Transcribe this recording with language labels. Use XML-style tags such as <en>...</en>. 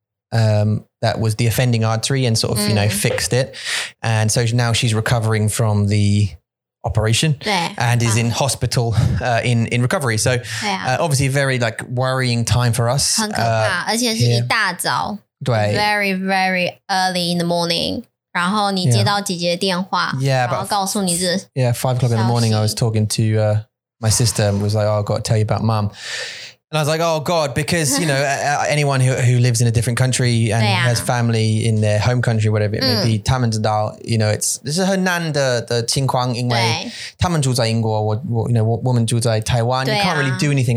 <en>That was the offending artery and sort of, you know, fixed it. And so now she's recovering from the operation and is in hospital in recovery. So obviously very like worrying time for us.</en> <zh>很可怕,而且是一大早。对。</zh> <en>Very, very early in the morning.</en> <zh>然后你接到姐姐电话,</zh> <en>Yeah, 5 o'clock in the morning, I was talking to my sister and was like, oh, I've got to tell you about mom. And I was like, oh God, because, you know, anyone who lives in a different country and has family in their home country, whatever it may be,</en> <zh>他们知道,</zh> <en>you know, this is</en> <zh>很难的情况, 因为他们住在英国,</zh> <en>you know,</en> <zh>我们住在台湾,</zh> <en>you can't really do anything.</en>